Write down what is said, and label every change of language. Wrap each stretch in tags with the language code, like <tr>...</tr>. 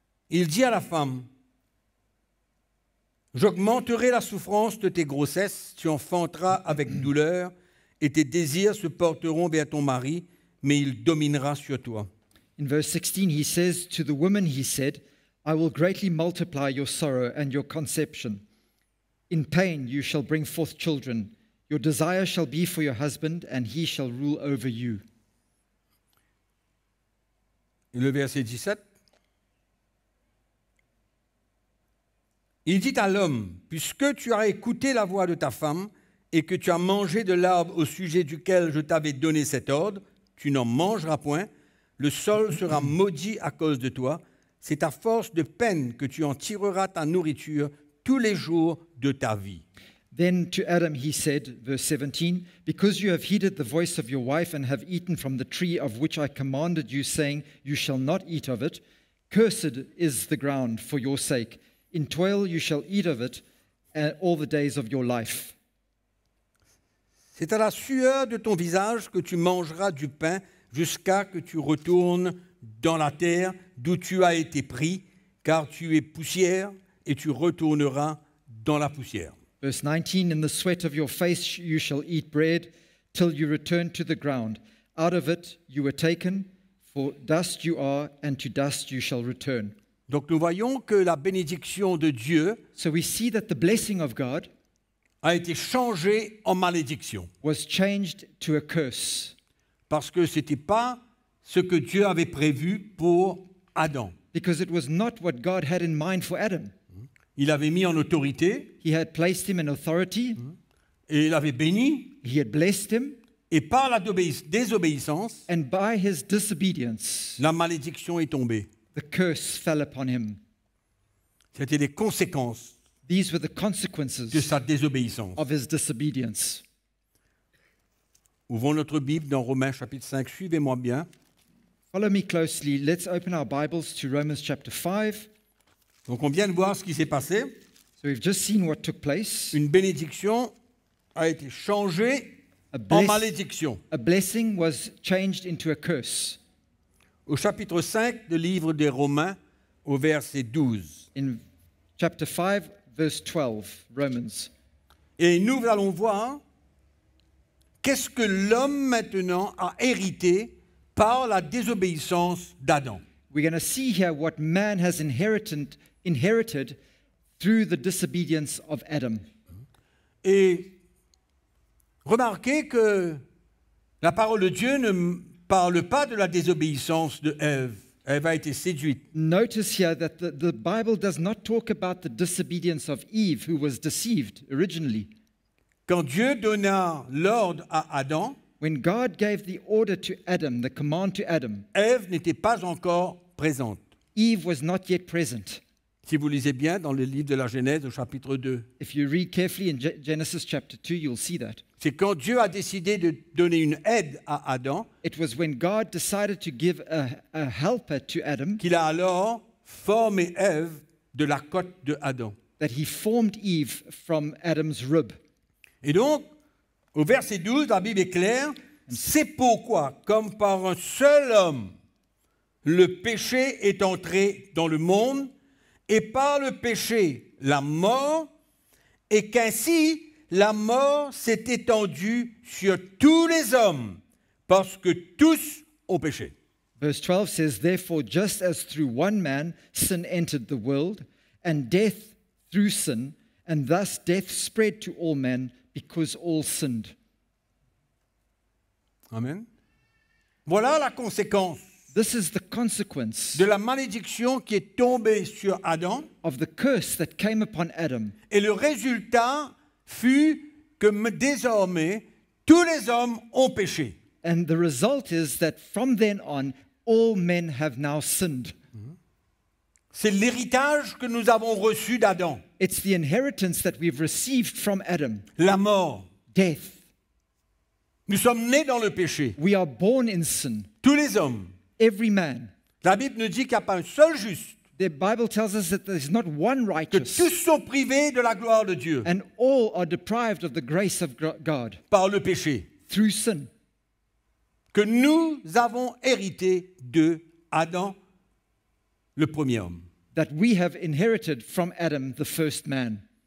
<fr>il dit à la femme, j'augmenterai la souffrance de tes grossesses, tu enfanteras avec douleur, et tes désirs se porteront vers ton mari, mais il dominera sur toi.</fr> <en>In verse 16, he says to the woman, he said, I will greatly multiply your sorrow and your conception. In pain you shall bring forth children. Your desire shall be for your husband, and he shall rule over you.</en> <fr>Le verset 17. Il dit à l'homme, puisque tu as écouté la voix de ta femme et que tu as mangé de l'arbre au sujet duquel je t'avais donné cet ordre, tu n'en mangeras point, le sol sera maudit à cause de toi. C'est à force de peine que tu en tireras ta nourriture tous les jours de ta vie.</fr> <en>Then to Adam he said, verse 17, because you have heeded the voice of your wife and have eaten from the tree of which I commanded you, saying, you shall not eat of it, cursed is the ground for your sake. In toil you shall eat of it all the days of your life.</en> <fr>C'est à la sueur de ton visage que tu mangeras du pain jusqu'à que tu retournes dans la terre d'où tu as été pris, car tu es poussière et tu retourneras dans la poussière.</fr> <en>Verse 19, in the sweat of your face you shall eat bread till you return to the ground. Out of it you were taken, for dust you are, and to dust you shall return.</en> <fr>Donc nous voyons que la bénédiction de Dieu</fr> <en>so we see that the blessing of God</en> <fr>a été changée en malédiction.</fr> <en>Was changed to a curse.</en> <fr>Parce que ce n'était pas ce que Dieu avait prévu pour Adam.</fr> <en>Because it was not what God had in mind for Adam.</en> <fr>Il avait mis en autorité.</fr> <en>He had placed him in authority.</en> <fr>Et il avait béni.</fr> <en>He had blessed him.</en> <fr>Et par la désobéissance,</fr> <en>and by his disobedience,</en> <fr>la malédiction est tombée.</fr> <en>The curse fell upon him.</en> <fr>C'était les conséquences.</fr> <en>These were the consequences</en> <fr>de sa désobéissance.</fr> <en>Of his disobedience.</en> <fr>Ouvrons notre Bible dans Romains chapitre 5. Suivez-moi bien.</fr> <en>Follow me closely. Let's open our Bibles to Romans chapter 5.</en> <fr>Donc on vient de voir ce qui s'est passé.</fr> <en>So we've just seen what took place.</en> <fr>Une bénédiction a été changée en malédiction.</fr> <en>A blessing was changed into a curse.</en> <fr>Au chapitre 5 du livre des Romains, au verset 12.</fr> <en>In chapter 5, verse 12, Romans.</en> <fr>Et nous allons voir qu'est-ce que l'homme maintenant a hérité par la désobéissance d'Adam.</fr> <en>We're going to see here what man has inherited through the disobedience of Adam.</en> <fr>Et remarquez que la parole de Dieu ne parle pas de la désobéissance de Ève. Ève a été séduite.</fr> <en>Notice here that the Bible does not talk about the disobedience of Eve, who was deceived originally.</en> <fr>Quand Dieu donna l'ordre à Adam,</fr> <en>when God gave the order to Adam, the command to Adam,</en> <fr>Ève n'était pas encore présente.</fr> <en>Eve was not yet present.</en> <fr>Si vous lisez bien dans le livre de la Genèse au chapitre 2.</fr> <en>If you read carefully in Genesis chapter 2, you'll see that.</en> <fr>C'est quand Dieu a décidé de donner une aide à Adam.</fr> <en>It was when God decided to give a helper to Adam.</en> <fr>Qu'il a alors formé Ève de la côte de Adam.</fr> <en>That he formed Eve from Adam's rib.</en> <fr>Et donc, au verset 12, la Bible est claire. C'est pourquoi, comme par un seul homme, le péché est entré dans le monde, et par le péché, la mort, et qu'ainsi, la mort s'est étendue sur tous les hommes, parce que tous ont péché.</fr> <en>Verse 12 says, therefore, just as through one man, sin entered the world, and death through sin, and thus death spread to all men, because all sinned.</en> <fr>Amen. Voilà la conséquence.</fr> <en>This is the consequence</en> <fr>de la malédiction qui est tombée sur Adam.</fr> <en>Of the curse that came upon Adam.</en> <fr>Et le résultat fut que désormais tous les hommes ont péché.</fr> <en>And the result is that from then on all men have now sinned.</en> <fr>C'est l'héritage que nous avons reçu d'Adam.</fr> <en>It's the inheritance that we've received from Adam.</en> <fr>La mort.</fr> <en>Death.</en> <fr>Nous sommes nés dans le péché.</fr> <en>We are born in sin.</en> <fr>Tous les hommes.</fr> <en>Every man.</en> <fr>La Bible ne dit qu'il n'y a pas un seul juste.</fr> <en>The Bible tells us that there's not one righteous.</en> <fr>Que tous sont privés de la gloire de Dieu.</fr> <en>And all are deprived of the grace of God.</en> <fr>Par le péché.</fr> <en>Through sin.</en> <fr>Que nous avons hérité de Adam, le premier homme.</fr> <en>That we have inherited from Adam, the first man.</en>